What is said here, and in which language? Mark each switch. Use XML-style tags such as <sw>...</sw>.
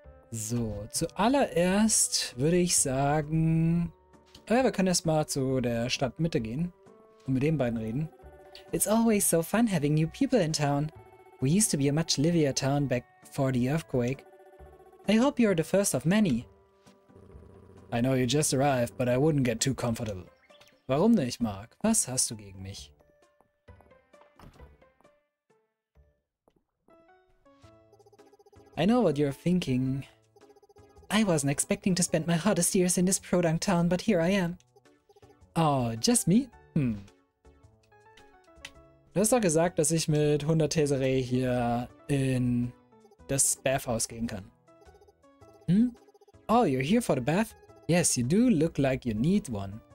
<de>So, zuallererst würde ich sagen, ja, wir können erstmal zu der Stadtmitte gehen und mit den beiden reden.</de> <en>It's always so fun having new people in town. We used to be a much livelier town back before the earthquake. I hope you're the first of many. I know you just arrived, but I wouldn't get too comfortable.</en> <de>Warum nicht, Mark? Was hast du gegen mich?</de> <en>I know what you're thinking. I wasn't expecting to spend my hottest years in this pro-dunk town, but here I am. Oh, just me?</en> <de>Du hast doch gesagt, dass ich mit 100 Tesserae hier in das Bathhaus gehen kann.</de> <en>Oh, you're here for the bath? Yes, you do look like you need one.</en>